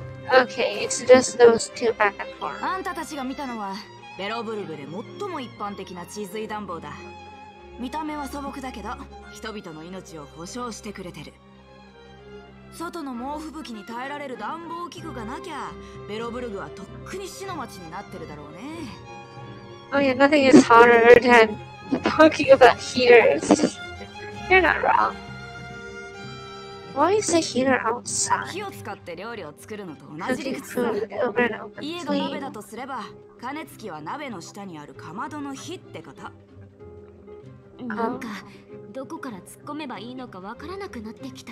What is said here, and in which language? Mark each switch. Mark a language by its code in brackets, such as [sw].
[en] Okay, it's just those two back and forth. [ja] あんたたちが見たのはベロブルグで最も一般的な地図暖房だ。見た目は素朴だけど、人々の命を保証してくれてる。外の猛吹雪に耐えられる暖房器具がなきゃ、ベロブルグはとっくに死の町になってるだろうね。 [en] Oh yeah, nothing is harder than talking about heaters. You're not wrong. Why is the heater outside? [ja] 火を使って料理を作るのと同じ理屈だ。家が鍋だとすれば、加熱器は鍋の下にあるかまどの火ってこと。なんかどこから突っ込めばいいのかわからなくなってきた。